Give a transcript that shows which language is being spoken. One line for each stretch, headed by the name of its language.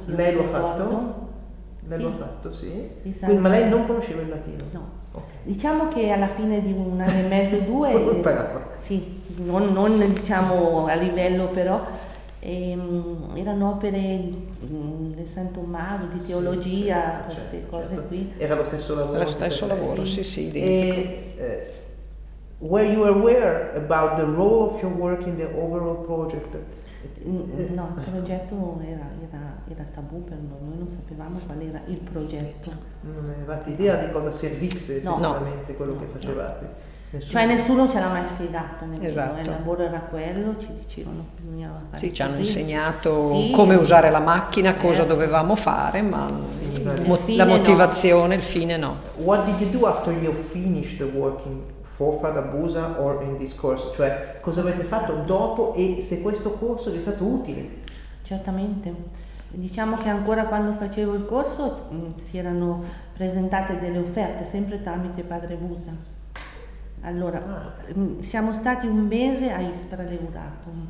Italian: Lei l'ha fatto? Lei l'ha fatto, sì. Quindi, ma lei non conosceva il latino? No. Okay. Diciamo che alla fine di un anno e mezzo, due... sì, non diciamo a livello però... erano opere del San Tommaso, di teologia, sì, certo, queste cose certo. Qui. Era lo stesso lavoro? Lo stesso lavoro, sì, sì.
English: E, were you aware about the role of your work in the overall project?
Italian: No, il progetto era tabù per noi, non sapevamo qual era il progetto. Non avevate idea di cosa servisse effettivamente quello che facevate? No. Nessuno ce l'ha mai spiegato, il lavoro era quello, ci dicevano che bisognava fare. Sì, ci hanno insegnato come usare la macchina, cosa dovevamo fare, ma la motivazione, il fine no.
English: What did you do after you finished the working for Father Busa or in this course?
Italian: Cioè, cosa avete fatto dopo e se questo corso vi è stato utile? Certamente. Diciamo che ancora quando facevo il corso si erano presentate delle offerte, sempre tramite Padre Busa. Allora, siamo stati un mese a Ispra Leurato,